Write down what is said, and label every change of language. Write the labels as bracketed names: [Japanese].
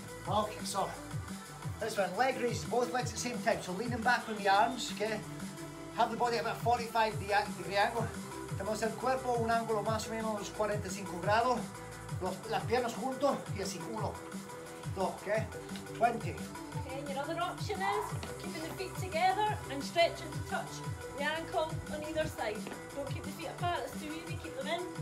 [English] Okay, so this one, leg raises both legs at the same time. So leaning back on the arms, okay? Have the body about 45 degree angle. [Spanish] Tenemos el cuerpo un ángulo más o menos 45 grados. Las piernas juntos y así, 1, 2, ¿qué? 20. [English] Okay, your other option is keeping the feet together and stretching to touch the ankle on either side. Don't keep the feet apart, it's too easy, keep them in.